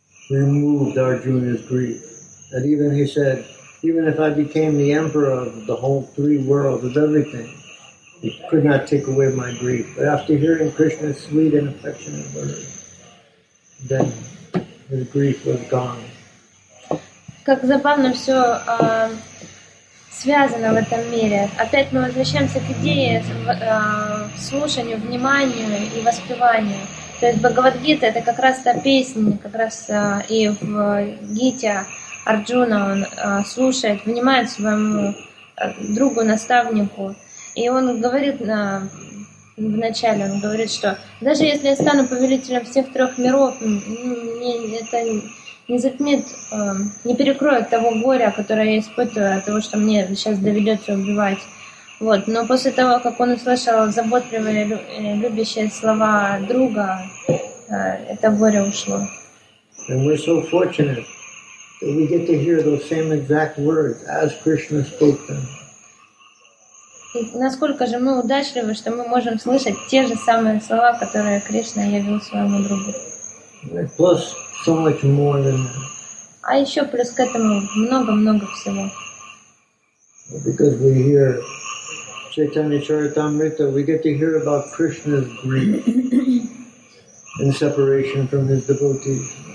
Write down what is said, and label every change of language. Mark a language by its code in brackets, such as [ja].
[en] Removed Arjuna's grief. That even he said, even if I became the emperor of the whole three worlds, of everything, It could not take away my grief. But after hearing Krishna's sweet and affectionate words, then the grief was gone. [ru] Как забавно все связано в этом мире. Опять мы возвращаемся к идее слушанию, вниманию и воспеванию. То есть Бхагавад-гита — это как раз та песня, как раз и в Гите Арджуна он слушает, внимает своему другу, наставнику. И он говорит вначале, он говорит, что даже если я стану повелителем всех трех миров, мне это не затмит, не перекроет того горя, которое я испытываю от того, что мне сейчас доведется убивать. Вот. Но после того, как он услышал заботливые, любящие слова друга, это горе ушло. [en] And we're so fortunate that we get to hear those same exact words as Krishna spoke them. [ru] И насколько же мы удачливы, что мы можем слышать те же самые слова, которые Кришна явил своему другу. [en] Plus so much more than that. [ru] А еще плюс к этому много-много всего. [en] Because we hear Chaitanya Charitamrita, we get to hear about Krishna's grief and separation from his devotees.